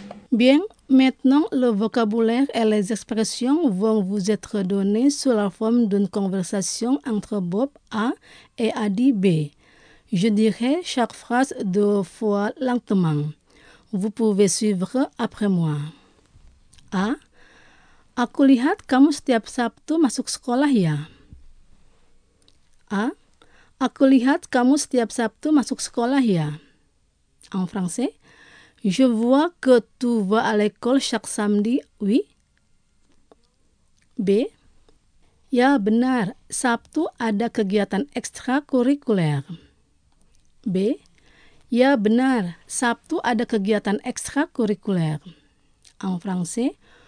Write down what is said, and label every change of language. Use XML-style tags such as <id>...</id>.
<fr>Bien, maintenant, le vocabulaire et les expressions vont vous être donnés sous la forme d'une conversation entre Bob A et Adi B. Je dirai chaque phrase deux fois lentement. Vous pouvez suivre après moi. A.</fr> <id>Aku lihat kamu setiap Sabtu masuk sekolah ya. A. Aku lihat kamu setiap Sabtu masuk sekolah ya.</id> <fr>En français. Je vois que tu vas à l'école chaque samedi, oui.</fr> <id>B. Ya benar, Sabtu ada kegiatan ekstrakurikuler. B. Ya benar, Sabtu ada kegiatan ekstrakurikuler.</id> <fr>En français.</fr>